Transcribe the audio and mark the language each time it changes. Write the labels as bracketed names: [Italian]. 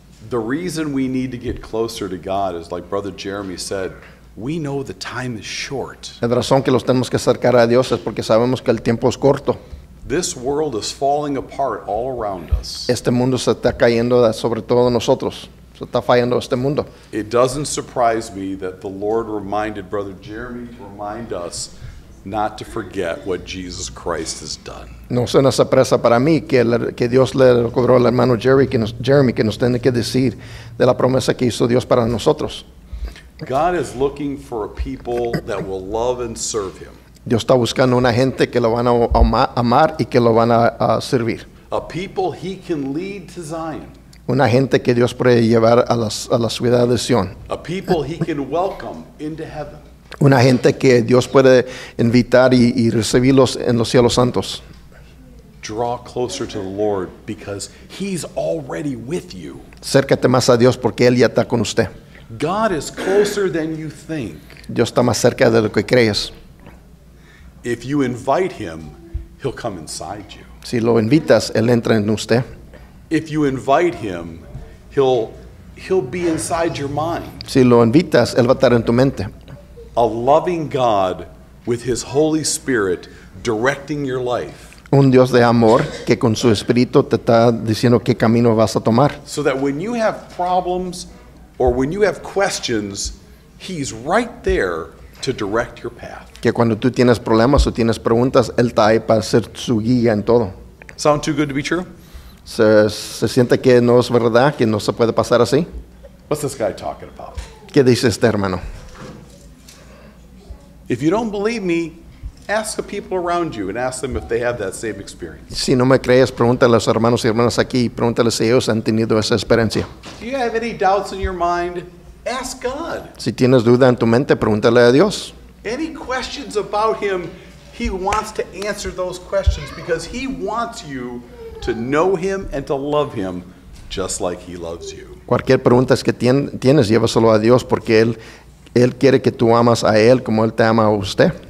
[English] The reason we need to get closer to God is like Brother Jeremy said, we know the time is short. [Spanish] La razón que los tenemos que acercar a Dios es porque sabemos que el tiempo es corto. [English] This world is falling apart all around us. [Spanish] Este mundo se está cayendo sobre todo nosotros. Se está fallando este mundo. [English] It doesn't surprise me that the Lord reminded Brother Jeremy to remind us not to forget what Jesus Christ has done. [Spanish] No es una sorpresa para mí que Dios le recordó al hermano Jeremy que nos tiene que decir de la promesa que hizo Dios para nosotros. [English] God is looking for a people that will love and serve him. [Spanish] Dios está buscando una gente que lo van a amar y que lo van a servir. [English] A people he can lead to Zion. [Spanish] Una gente que Dios puede llevar a la ciudad de Sion. [English] A people he can welcome into heaven. [Spanish] Una gente que Dios puede invitar y recibirlos en los cielos santos. [English] Draw closer to the Lord because he's already with you. [Spanish] Cércate más a Dios porque él ya está con usted. [English] God is closer than you think. [Spanish] Dios está más cerca de lo que crees. [English] If you invite him, he'll come inside you. [Spanish] Si lo invitas, él entra en usted. [English] If you invite him, he'll be inside your mind. [Spanish] Si lo invitas, él va a estar en tu mente. [English] A loving God with his Holy Spirit directing your life. [Spanish] Un Dios de amor que con su espíritu te está diciendo qué camino vas a tomar. [English] So that when you have problems or when you have questions, he's right there to direct your path. [Spanish] Que cuando tú tienes problemas o tienes preguntas, él está ahí para ser su guía en todo. [English] Sound too good to be true? [Spanish] Se siente que no es verdad, que no se puede pasar así. [English] What's this guy talking about? [Spanish] ¿Qué dice este hermano? [English] If you don't believe me, ask the people around you and ask them if they have that same experience. [Spanish] Si no me crees, pregúntale a los hermanos y hermanas aquí y pregúntale si ellos han tenido esa experiencia. [English] If you have any doubts in your mind, ask God. [Spanish] Si tienes duda en tu mente, pregúntale a Dios. [English] Any questions about him, he wants to answer those questions because he wants you to know him and to love him just like he loves you. [Spanish] Cualquier pregunta que tienes, llévaselo a Dios porque él quiere que tú amas a él como él te ama a usted.